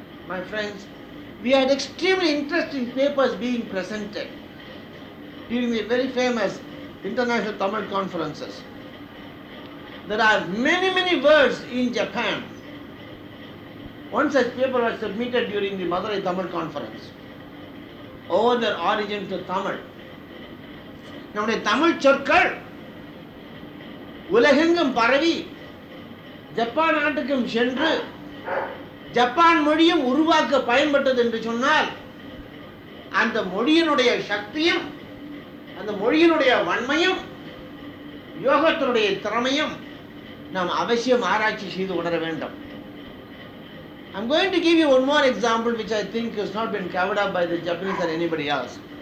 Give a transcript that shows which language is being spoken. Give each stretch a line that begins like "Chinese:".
English: My friends, we had extremely interesting papers being presented during the very famous international Tamil conferences. There are many, many words in Japan. One such paper was submitted during the Madurai Tamil conference, over their origin to Tamil. Now, the
Tamil: Tamil chorkal, ulahengam paravi, Japan antukum shendru, Japan மொழியும் உருவாக்க பயன்பட்டது என்று சொன்னால் அந்த மொழியினுடைய சக்தியும் அந்த மொழியினுடைய வன்மையும் யோகத்தினுடைய திறமையும் நாம் அவசியம் ஆராய்ச்சி செய்து உணர வேண்டும்.
English: I'm going to give you one more example which I think has not been covered up by the Japanese or anybody else.